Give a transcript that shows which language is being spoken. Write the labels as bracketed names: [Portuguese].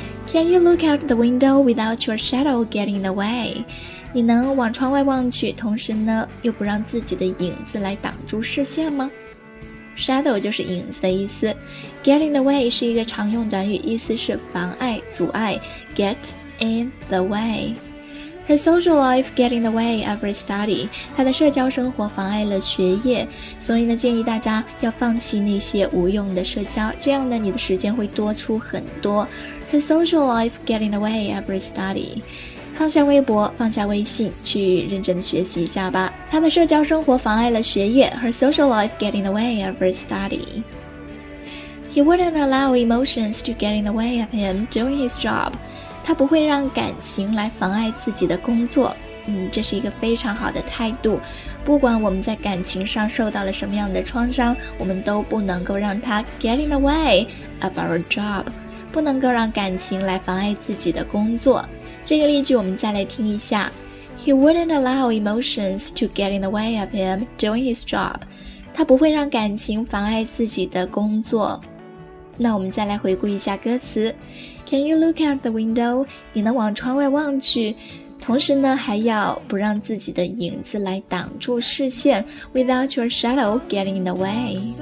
[English] Can you look out the window without your shadow getting in the way? [Chinese] 你能往窗外望去，同时呢，又不让自己的影子来挡住视线吗？ Shadow 就是影子的意思。Get in the way 是一个常用短语，意思是妨碍、阻碍。 [English] Get in the way。 Her social life get in the way of her study. [Chinese] 她的社交生活妨碍了学业。所以呢，建议大家要放弃那些无用的社交，这样呢，你的时间会多出很多。 [English] Her social life get in the way of her study. [Chinese] 放下微博，放下微信，去认真的学习一下吧。她的社交生活妨碍了学业。 [English] Her social life get in the way of her study. He wouldn't allow emotions to get in the way of him doing his job. [Chinese] 他不会让感情来妨碍自己的工作。这是一个非常好的态度。不管我们在感情上受到了什么样的创伤，我们都不能够让它 [English] get in the way of our job. [Chinese] 不能够让感情来妨碍自己的工作。这个例句我们再来听一下。 [English] He wouldn't allow emotions to get in the way of him doing his job. [Chinese] 他不会让感情妨碍自己的工作。那我们再来回顾一下歌词。 [English] Can you look out the window? [Chinese] 你能往窗外望去，同时呢还要不让自己的影子来挡住视线。 [English] Without your shadow getting in the way.